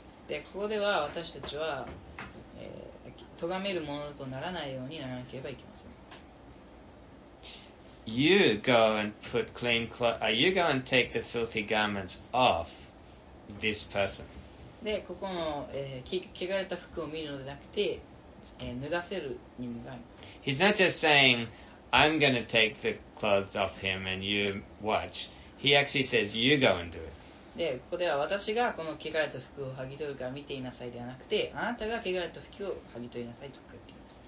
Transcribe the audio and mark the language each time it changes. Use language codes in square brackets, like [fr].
[ja] で、ここでは私たちは、咎めるものとならないようにならなければいけません。 [en] You go and put clean clothes. You go and take the filthy garments off this person. [ja] で、ここの、汚れた服を見るのではなくて、脱がせる任務があります。 [en] He's not just saying, I'm going to take the clothes off him and you watch. He actually says, you go and do it. [ja] で、ここでは私がこの汚れた服を剥ぎ取るから見ていなさいではなくて、あなたが汚れた服を剥ぎ取りなさいと書いています。